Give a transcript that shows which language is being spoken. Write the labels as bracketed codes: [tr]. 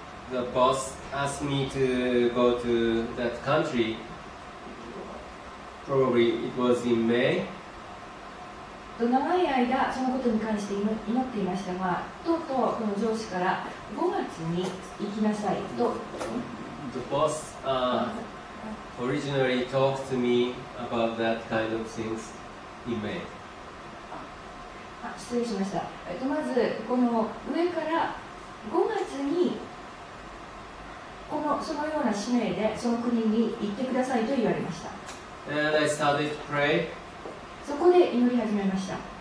[en] The boss asked me to go to that country. Probably it was in May. [ja] 長い間そのことに関して祈っていましたが、とうとうこの上司から5月に行きなさいと。 [en] The boss originally talked to me about that kind of things in May. [ja] あ、失礼しました。まずこの上から5月にこのそのような使命でその国に行ってくださいと言われました。 [en] And I started to pray. [ja] そこで祈り始めました。